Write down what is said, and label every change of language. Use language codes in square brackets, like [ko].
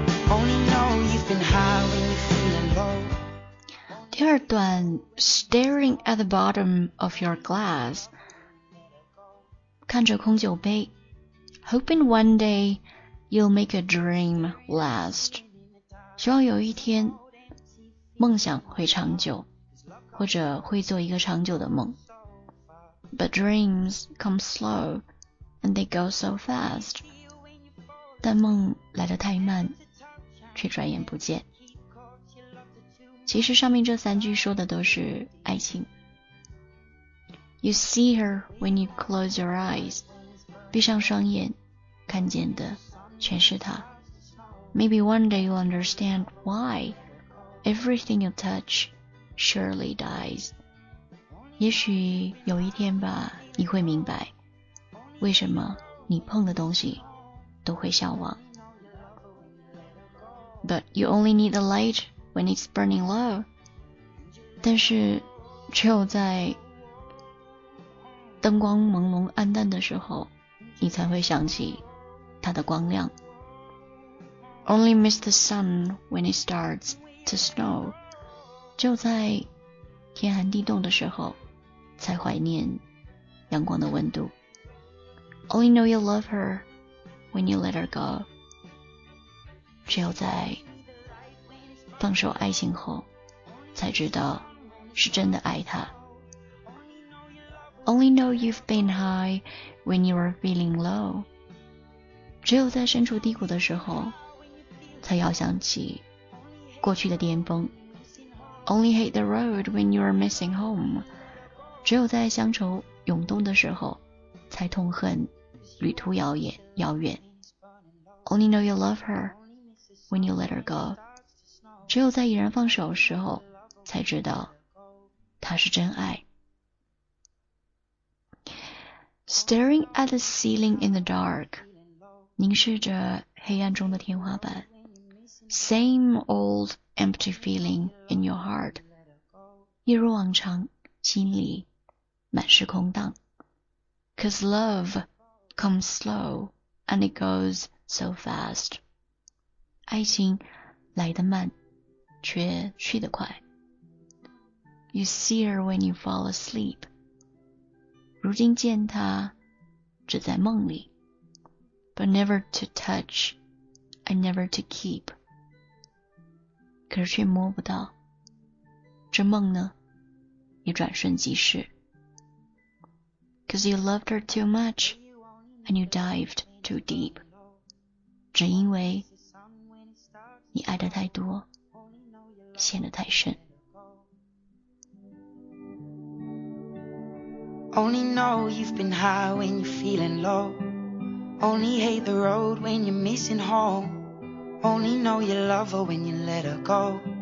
[en] Only know you've been high when you're feeling low. [zh] 第二段 [en] ，Staring at the bottom of your glass， [zh] 看着空酒杯 [en] ，Hoping one day you'll make a dream last， [zh] 希望有一天梦想会长久，或者会做一个长久的梦。 [en] But dreams come slow and they go so fast. [zh] 但梦来得太慢，却转眼不见。其实上面这三句说的都是爱情。 [en] You see her when you close your eyes. [zh] 闭上双眼，看见的全是她。 [en] Maybe one day you'll understand why everything you touch surely dies. [zh] 也许有一天吧，你会明白为什么你碰的东西都会消亡。 [en] But you only need the light when it's burning low. [zh] 但是只有在灯光朦胧暗淡的时候，你才会想起它的光亮。 [en] Only miss the sun when it starts to snow. [zh] 只有在天寒地冻的时候，才怀念阳光的温度。 [en] Only know you love her when you let her go. [zh] 只有在放手爱情后，才知道是真的爱她。 [en] Only know you've been high when you were feeling low. [zh] 只有在身处低谷的时候，才遥想起过去的巅峰。 [en] Only hate the road when you are missing home. [zh] 只有在乡愁涌动的时候，才痛恨旅途遥远。 [en] Only know you love her when you let her go. [zh] 只有在已然放手的时候，才知道她是真爱。 [en] Staring at the ceiling in the dark, [zh] 凝视着黑暗中的天花板。 [en] Same old empty feeling in your heart. [zh] 一如往常，心里满是空荡。 [en] Cause love comes slow and it goes so fast. [zh] 爱情来得慢，却去得快。 [en] You see her when you fall asleep. [zh] 如今见她只在梦里。 [en] But never to touch and never to keep. [zh] 可是却摸不到，这梦呢也转瞬即逝。 [en] Cause you loved her too much, and you dived too deep. [zh] 只因为你爱得太多，陷得太深。 [en] Only know you've been high when you're feeling low. Only hate the road when you're missing home. Only know you love her when you let her go.